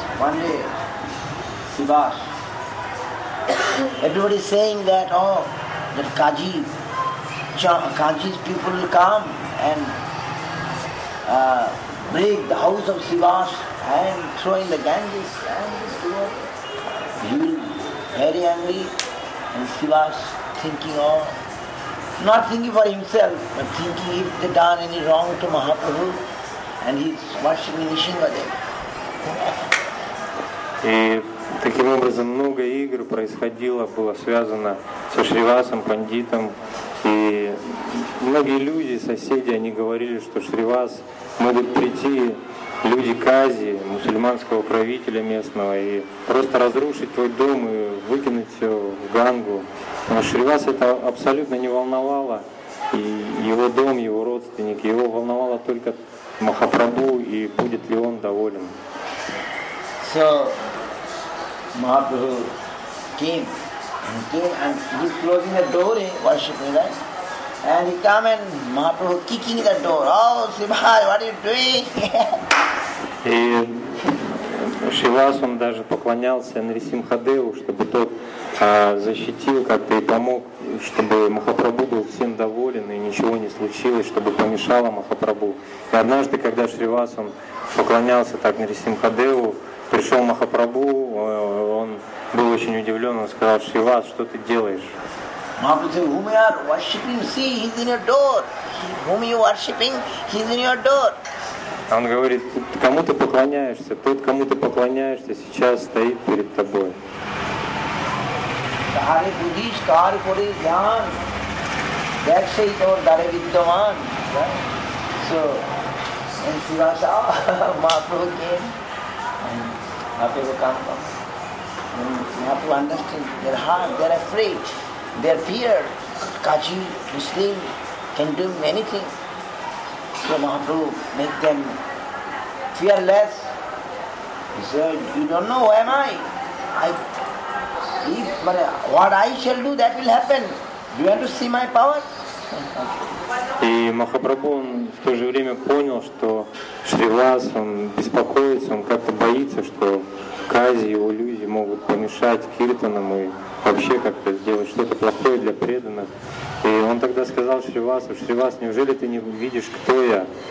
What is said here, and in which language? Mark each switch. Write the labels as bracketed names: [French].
[English] One day, Sivas. Everybody saying that, oh, that Kaji's people will come and break the house of Sivas and throw in the Ganges and this devotee. He will very angry and Sivas thinking of, not thinking for himself, but thinking if they done any wrong to Mahaprabhu and he's watching in Nishimade. [Russian] Таким образом, много игр происходило, было связано со Шривасом, пандитом. И многие люди, соседи, они говорили, что Шривас могут прийти, люди Кази, мусульманского правителя местного, и просто разрушить твой дом и выкинуть все в Гангу. Но Шривас это абсолютно не волновало. И его дом, его родственники, его волновало только Махапрабху, и будет ли он доволен. [English] Mahaprabhu came and he closing the door, worshiping, right? And he come and Mahaprabhu kicking the door. Oh, Sivas, what are you doing? [Russian] И Шивас, он даже поклонялся Нарисимхадеву, чтобы тот защитил как-то и помог, чтобы Махапрабху был всем доволен и ничего не случилось, чтобы помешало Махапрабху. И однажды, когда Шривас, он поклонялся так Нарисимхадеву, пришел Махапрабху, он он был очень удивлен, он сказал: «Шивас, что ты делаешь?» [English] Mahaprabhu said, whom you are worshipping, see, he's in your door. Whom you are worshipping, he's in your door. [Russian] Он говорит, кому ты поклоняешься, тот, кому ты поклоняешься, сейчас стоит перед тобой. [Bangla] Kare buddhish, kare pore dhyan. That say it or dare vidyaman. [English] So, and Shiva said, Mahaprabhu came. And Mahaprabhu come. Mahaprabhu understand their heart, they're afraid. Their fear, Kaji, Muslim, can do many things. So Mahaprabhu make them fearless. He said, you don't know who am I? What I shall do, that will happen. You want to see my power? [Russian] И Махапрабху в то же время понял, что Шривас, он беспокоится, он как-то боится, что Кази и его люди могут помешать киртанам и вообще как-то сделать что-то плохое для преданных. И он тогда сказал Шривасу: «Шривас, неужели ты не видишь, кто я?»